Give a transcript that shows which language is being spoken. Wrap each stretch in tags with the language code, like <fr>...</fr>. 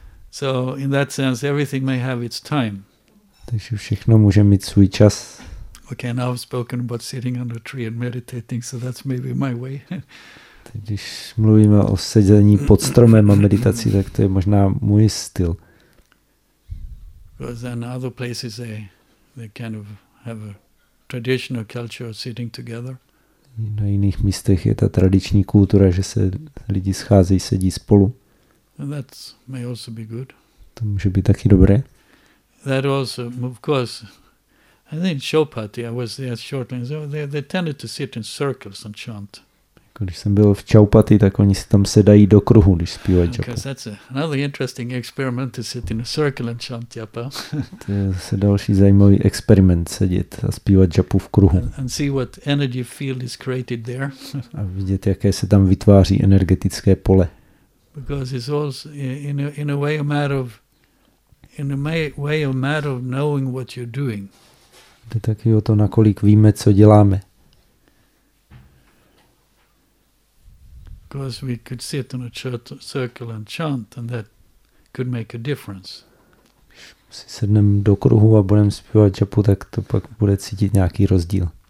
<en>So in that sense everything may have its time.</en> <cs>Takže všechno může mít svůj čas.</cs> <en>Okay, now I've spoken about sitting under a tree and meditating, so that's maybe my way.</en> <cs>Když mluvíme o sedění pod stromem a meditaci, tak to je možná můj styl.</cs> <en>Because in other places they kind of have a traditional culture of sitting together.</en> <cs>Na jiných místech je ta tradiční kultura, že se lidi scházejí, sedí spolu.</cs> <en>And that may also be good.</en> <cs>To může být taky dobré.</cs> <en>That also, of course, I think Chaupati, I was there shortly, so they tended to sit in circles and chant.</en> <cs>Když jsem byl v Chaupati, tak oni si tam sedají do kruhu, když zpívají japa.</cs> <en>Because that's another interesting experiment to sit in a circle and chant japa.</en> <cs>To je zase další zajímavý experiment sedět a zpívat japu v kruhu.</cs> <en>And see what energy field is created there.</en> <cs>A vidět, jaké se tam vytváří energetické pole.</cs> <en>Because it's also in a way a matter of knowing what you're doing.</en> <cs>Jde taky o to, nakolik víme, co děláme.</cs> <en>Because we could sit in a circle and chant, and that could make a difference.</en> <cs>Si sedneme do kruhu a budeme zpívat japu, tak to pak bude cítit nějaký rozdíl.</cs>